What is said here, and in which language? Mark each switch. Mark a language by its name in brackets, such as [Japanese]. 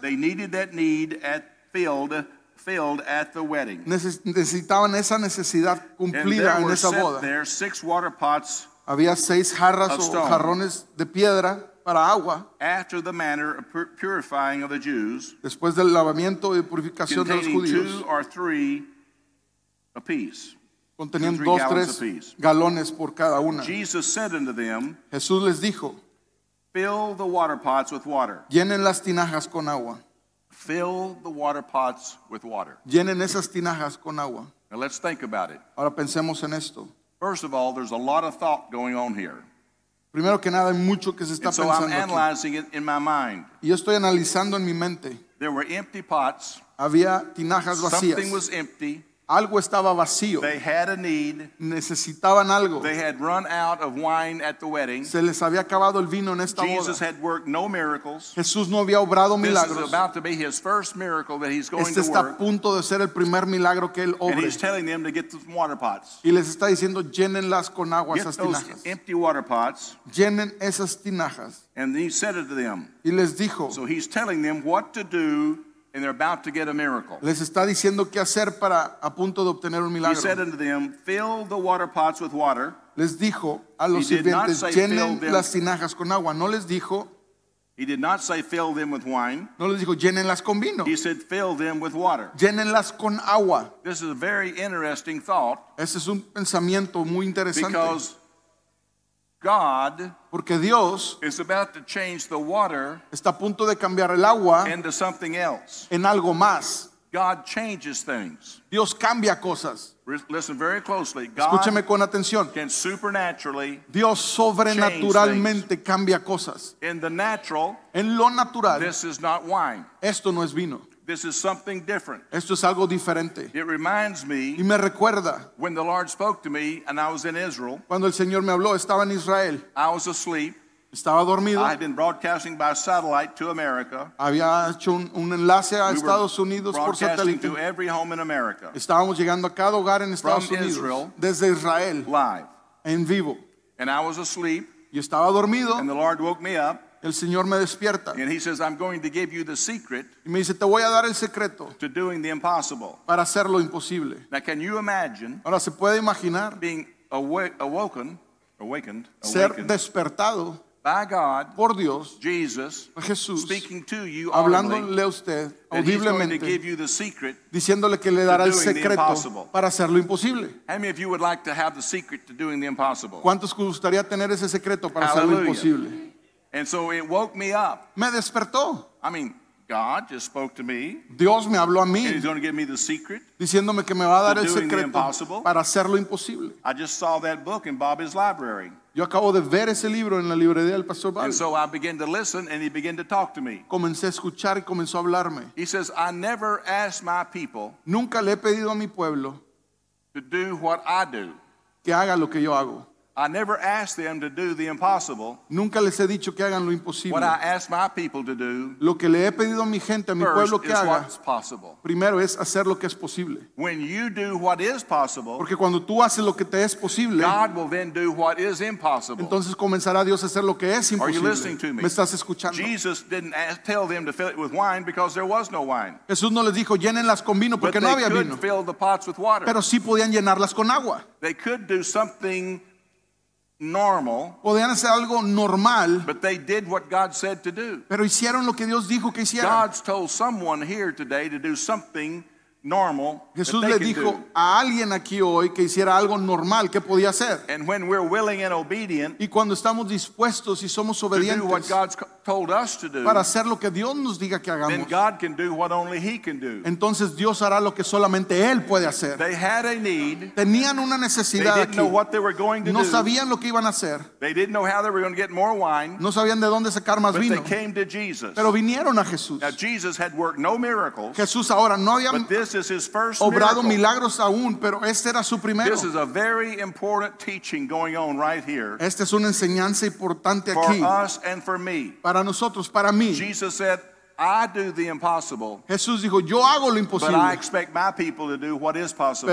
[English] They needed that need at filled at the wedding. [Spanish] Necesitaban esa necesidad cumplida en esa boda. [English] And there were set there six water pots. [Spanish] Había seis jarras [English] of stone. [Spanish] O jarrones de piedra. Para agua, [English] after the manner of purifying of the Jews, [Spanish] después del lavamiento y purificación de los judíos, [English] two or three apiece, [Spanish] conteniendo dos tres [English] apiece. [Spanish] Galones por cada una. [English] Jesus said unto them, [Spanish] Jesús les dijo, [English] fill the water pots with water. [Spanish] Llenen las tinajas con agua. [English] Fill the water pots with water. [Spanish] Llenen esas tinajas con agua. [English] Now let's think about it. [Spanish] Ahora pensemos en esto. [English] First of all, there's a lot of thought going on here. [Spanish] Primero que nada, hay mucho que se está [English] so [Spanish] pensando [English] I'm analyzing [Spanish] aquí. [English] It in my mind. [Spanish] Y yo estoy analizando en mi mente. [English] There were empty pots. [Spanish] Había tinajas vacías. [English] Something was empty. [Spanish] Algo estaba vacío. [English] They had a need. [Spanish] Necesitaban algo. [English] They had run out of wine at the wedding. [Spanish] Se les había acabado el vino en esta [English] Jesus [Spanish] boda. [English] Had worked no miracles. [Spanish] Jesús no había obrado [English] this [Spanish] milagros. [English] Is about to be his first miracle that he's going [Spanish] este está [English] to work. [Spanish] A punto de ser el primer milagro que él obre. [English] And he's telling them to get some water pots. [Spanish] Y les está diciendo, llénenlas con agua [English] get [Spanish] esas tinajas. [English] Those empty water pots. [Spanish] Llenen esas tinajas. [English] And he said it to them. [Spanish] Y les dijo. [English] So he's telling them what to do. And they're about to get a miracle. [Spanish] Les está diciendo qué hacer para a punto de obtener un milagro. [English] He said unto them, "Fill the water pots with water." [Spanish] Les dijo a los sirvientes, llenen las tinajas con agua. No les dijo. [English] He did not say fill them with wine. [Spanish] No les dijo llénenlas con vino. [English] He said fill them with water. [Spanish] Llénenlas con agua. [English] This is a very interesting thought. [Spanish] Este es un pensamiento muy interesante. [English] Because God, [Spanish] porque Dios, [English] is about to change the water, [Spanish] está a punto de cambiar el agua, [English] into something else, [Spanish] en algo más. [English] God changes things. [Spanish] Dios cambia cosas. [English] Listen very closely. [Spanish] Escúcheme con atención. [English] Can supernaturally, [Spanish] Dios sobrenaturalmente cambia cosas. [English] In the natural, [Spanish] en lo natural, [English] this is not wine. [Spanish] Esto no es vino. [English] This is something different. [Spanish] Esto es algo diferente. [English] It reminds me, [Spanish] y me recuerda, [English] when the Lord spoke to me and I was in Israel. [Spanish] Cuando el Señor me habló, estaba en Israel. [English] I was asleep. [Spanish] Estaba dormido. [English] I had been broadcasting by satellite to America. [Spanish] Había hecho un enlace a Estados Unidos por satélite. [English] To every home in America. [Spanish] Estábamos llegando a cada hogar en Estados Unidos. [English] Israel, [Spanish] desde Israel. [English] Live. [Spanish] En vivo. [English] And I was asleep. [Spanish] Y estaba dormido. [English] And the Lord woke me up. [Spanish] El Señor me despierta. [English] And he says, I'm going to give you the secret. [Spanish] Y me dice, te voy a dar el secreto. [English] To doing the impossible. [Spanish] Para hacer lo imposible. [English] Now can you imagine. [Spanish] Ahora se puede imaginar. [English] Being awakened. [Spanish] Ser despertado. [English] By God, [Spanish] por Dios, [English] Jesus, [Spanish] Jesús, [English] speaking to you, [Spanish] hablándole a usted audiblemente, [English] to give you the secret, [Spanish] diciéndole que le dará el secreto para hacer lo imposible. [English] How many of you would like to have the secret to doing the impossible? [Spanish] ¿Cuántos gustaría tener ese secreto para [English] Hallelujah. [Spanish] Hacer lo imposible? [English] And so it woke me up. [Spanish] Me despertó. [English] I mean, God just spoke to me. [Spanish] Dios me habló a mí. [English] And he's going to give me the secret. [Spanish] Diciéndome que me va a dar el secreto [English] the impossible. [Spanish] Para hacer lo imposible. [English] I just saw that book in Bobby's library. [Spanish] Yo acabo de ver ese libro en la librería del pastor Bobby. [English] And so I began to listen and he began to talk to me. [Spanish] Comencé a escuchar y comenzó a hablarme. [English] He says, I never asked my people. [Spanish] Nunca le he pedido a mi pueblo. [English] To do what I do. [Spanish] Que haga lo que yo hago. [English] I never asked them to do the impossible. [Spanish] Nunca les he dicho que hagan lo imposible. [English] What I asked my people to do. [Spanish] Lo que le he pedido a mi gente, a mi pueblo que haga. [English] First is what's possible. [Spanish] Primero es hacer lo que es posible. [English] When you do what is possible. [Spanish] Porque cuando tú haces lo que te es posible. [English] God will then do what is impossible. [Spanish] Entonces comenzará Dios a hacer lo que es imposible. [English] Are you listening to me? [Spanish] ¿Me estás escuchando? [English] Jesus didn't tell them to fill it with wine because there was no wine. [Spanish] Jesús no les dijo llénenlas con vino porque no había vino. [English] Fill the pots with water. [Spanish] Pero sí podían llenarlas con agua. [English] They could do something normal. [Spanish] Podían hacer algo normal. [English] But they did what God said to do. [Spanish] Pero hicieron lo que Dios dijo que hicieran. [English] God's told someone here today to do something normal. [Spanish] Jesús le dijo a alguien aquí hoy que hiciera algo normal que podía hacer. [English] And when we're willing and obedient. [Spanish] Y cuando estamos dispuestos y somos obedientes. [English] To do what God's told us to do. [Spanish] Para hacer lo que Dios nos diga que hagamos. [English] Then God can do what only He can do. [Spanish] Entonces Dios hará lo que solamente Él puede hacer. [English] They had a need. [Spanish] Tenían una necesidad. [English] They didn't [Spanish] aquí. [English] Know what they were going to [Spanish] no [English] do. [Spanish] Sabían lo que iban a hacer. [English] They didn't know how they were going to get more wine. [Spanish] No sabían de dónde sacar más [English] but [Spanish] vino. [English] They came to Jesus. [Spanish] Pero vinieron a Jesús. [English] Now Jesus had worked no miracles. [Spanish] Jesús ahora no había obrado milagros aún, pero este era su primero. [English] This is a very important teaching going on right here. [Spanish] Esta es una enseñanza importante aquí. [English] For us and for me. [Spanish] Para nosotros, para mí. [English] Jesus said, I do the impossible. [Spanish] Jesús dijo, yo hago lo imposible. [English] But I expect my people to do what is possible.